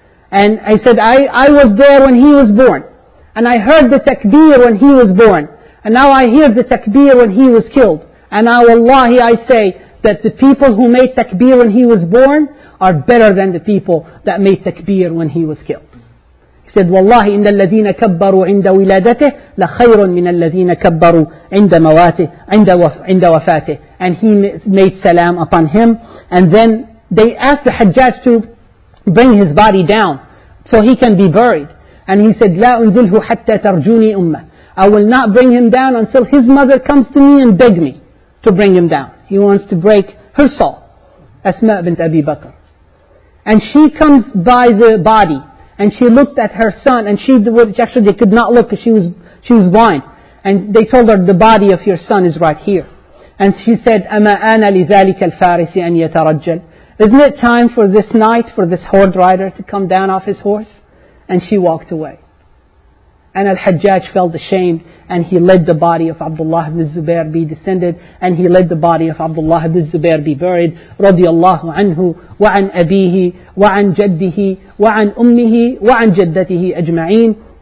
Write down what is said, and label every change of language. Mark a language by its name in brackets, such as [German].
[English] And I said, I was there when he was born. And I heard the takbir when he was born. And now I hear the takbir when he was killed. And I, wallahi, I say that the people who made takbir when he was born are better than the people that made takbir when he was killed. He said, [Arabic] wallahi, إِنَّ الَّذِينَ كَبَّرُوا عِنْدَ وِلَادَتِهِ لَخَيْرٌ مِنَ الَّذِينَ كَبَّرُوا عِنْدَ مَوَاتِهِ عِنْدَ وَفَاتِهِ. [English] And he made salam upon him. And then they asked the Hajjaj to bring his body down so he can be buried. And he said, [Arabic] لا أنزله حتى ترجوني أمة. [English] I will not bring him down until his mother comes to me and beg me to bring him down. He wants to break her soul. Asma bint Abi Bakr. And she comes by the body and she looked at her son and she, actually they could not look because she was blind. And they told her, the body of your son is right here. And she said, [Arabic] أَمَا أَنَا لِذَٰلِكَ الْفَارِسِ أَنْ يَتَرَجَّلْ. [English] Isn't it time for this knight, for this horde rider to come down off his horse? And she walked away. And Al-Hajjaj felt ashamed and he let the body of Abdullah ibn Zubair be descended and he let the body of Abdullah ibn Zubair be buried. Radiallahu anhu wa'an abihi wa'an jaddihi wa'an ummihi wa'an jaddatihi ajma'een.